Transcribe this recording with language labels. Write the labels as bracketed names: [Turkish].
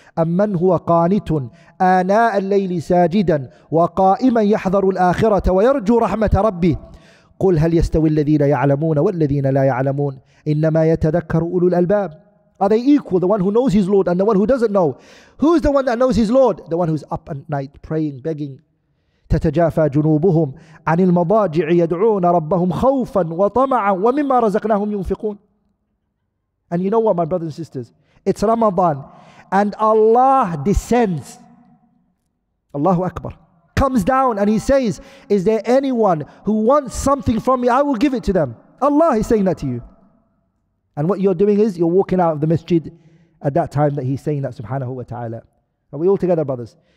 [Arabic] أَمَّنْ هُوَ قَانِتٌ آنَاءَ اللَّيْلِ سَاجِدًا وَقَائِمًا يَحْذَرُ الْآخِرَةَ وَيَرْجُو رَحْمَةَ رَبِّهِ قُلْ هَلْ يَسْتَوِي الَّذِينَ يَعْلَمُونَ وَالَّذِينَ لَا يَعْلَمُونَ إِنَّمَا يَتَذَكَّرُ أُولُو الْأَلْبَابِ. [English] Are they equal? The one who knows his Lord and the one who doesn't know. Who's the one that knows his Lord? The one who's up at night praying, begging. [Arabic] تتجافى جنوبهم عن المضاجع يدعون ربهم خوفا وطمعا ومما رزقناهم ينفقون. [English] And you know what, my brothers and sisters? It's Ramadan. And Allah descends. Allahu Akbar. Comes down and he says, is there anyone who wants something from me? I will give it to them. Allah is saying that to you. And what you're doing is, you're walking out of the masjid at that time that he's saying that, subhanahu wa ta'ala. Are we all together, brothers?